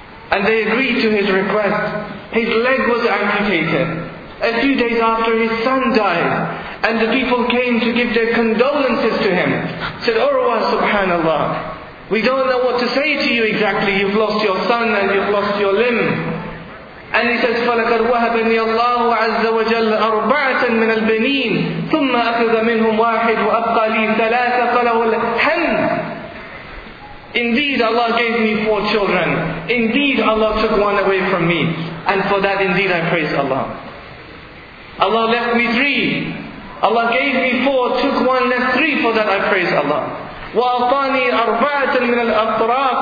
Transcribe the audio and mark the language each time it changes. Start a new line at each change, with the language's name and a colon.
English: And they agreed to his request. His leg was amputated. A few days after, his son died. And the people came to give their condolences to him. Said, Urwa, subhanallah, we don't know what to say to you exactly. You've lost your son and you've lost your limb. And he says,
Arabic: فَلَكَدْ وَهَبَنِي اللَّهُ عَزَّ وَجَلَّ أَرْبَعَةً مِنَ الْبَنِينَ ثُمَّ أَخِذَ مِنْهُمْ وَاحِدٌ وَأَبْقَى لِي ثَلَاثَ فَلَهُ الْحَمْدُ.
English: Indeed, Allah gave me four children. Indeed, Allah took one away from me. And for that, indeed, I praise Allah. Allah left me three. Allah gave me four, took one, left three. For that, I praise Allah.
Arabic: وَأَعْطَانِي أَرْبَعَةً مِنَ الْأَطْرَافِ.